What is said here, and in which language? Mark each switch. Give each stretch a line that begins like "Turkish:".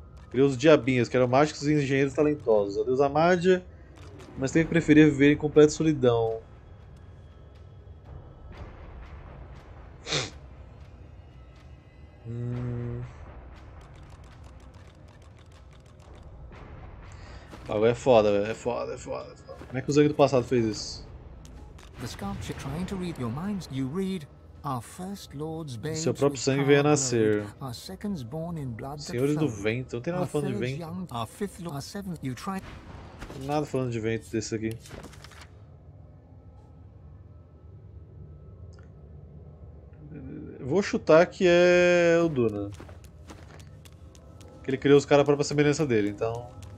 Portuguese: Criou os diabinhas, que eram mágicos e engenheiros talentosos. A deusa Amadia, mas tem que preferir viver em completa solidão. Agora é foda, velho. É foda. Como é que o Zang do passado fez isso?
English: The sculpture trying to read your minds, you read our first lord's babes.
Portuguese: Seu próprio sangue veio a nascer.
English: Our seconds born in blood.
Portuguese: Senhores do vento, não tem nada falando de vento.
English: Our fifth lord, our seventh, you try.
Portuguese: Nada falando de vento desse aqui. Vou chutar que é o Duna. Que ele criou os caras para a própria semelhança dele, então.